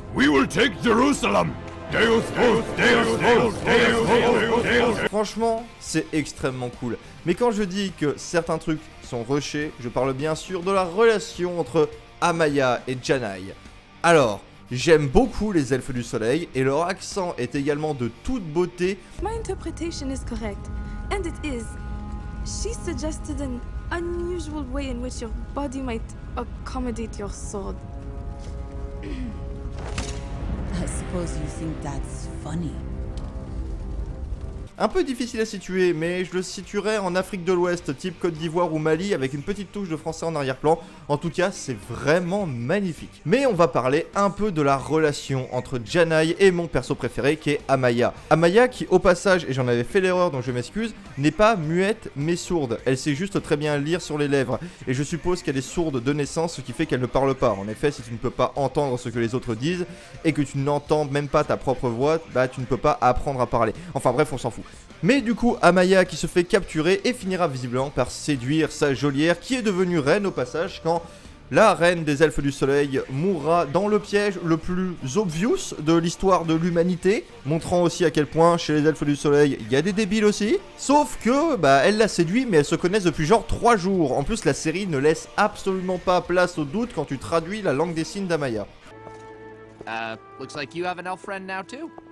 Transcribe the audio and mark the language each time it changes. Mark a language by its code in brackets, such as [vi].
[en] We will take Jerusalem. [la] Deus vos, Deus vos, Deus vos, Deus. [fr] Franchement, c'est extrêmement cool. Mais quand je dis que certains trucs sont rushés, je parle bien sûr de la relation entre Amaya et Janai. Alors, j'aime beaucoup les elfes du soleil et leur accent est également de toute beauté. [en] My interpretation is correct, and it is. She suggested an unusual way in which your body might accommodate your sword. I suppose you think that's funny. [fr] Un peu difficile à situer, mais je le situerai en Afrique de l'Ouest, type Côte d'Ivoire ou Mali, avec une petite touche de français en arrière-plan. En tout cas, c'est vraiment magnifique. Mais on va parler un peu de la relation entre Janai et mon perso préféré, qui est Amaya. Amaya, qui au passage, et j'en avais fait l'erreur, donc je m'excuse, n'est pas muette, mais sourde. Elle sait juste très bien lire sur les lèvres. Et je suppose qu'elle est sourde de naissance, ce qui fait qu'elle ne parle pas. En effet, si tu ne peux pas entendre ce que les autres disent, et que tu n'entends même pas ta propre voix, bah tu ne peux pas apprendre à parler. Enfin bref, on s'en fout. Mais du coup, Amaya qui se fait capturer et finira visiblement par séduire sa geôlière qui est devenue reine au passage quand la reine des elfes du soleil mourra dans le piège le plus obvious de l'histoire de l'humanité, montrant aussi à quel point chez les elfes du soleil il y a des débiles aussi. Sauf que bah elle l'a séduit mais elles se connaissent depuis genre 3 jours. En plus, la série ne laisse absolument pas place au doute quand tu traduis la langue des signes d'Amaya. [en] Looks like you have an elf friend now too.